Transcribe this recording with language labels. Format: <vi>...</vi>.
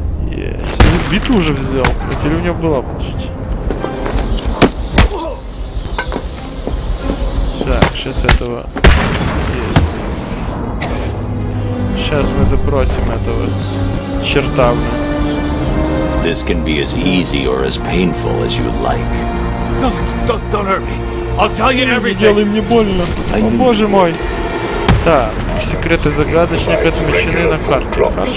<ru>Есть. Yes. Биту уже взял. А теперь у него была, подождите. Так, сейчас этого. Есть. Yes. Сейчас мы допросим этого черта.</ru> <en>This can be as easy or as painful as you like. No, don't hurt me. I'll tell you everything.</en> <ru>Делай мне больно. О боже мой! Так, секреты загадочника отмечены на карте, хорошо.</ru>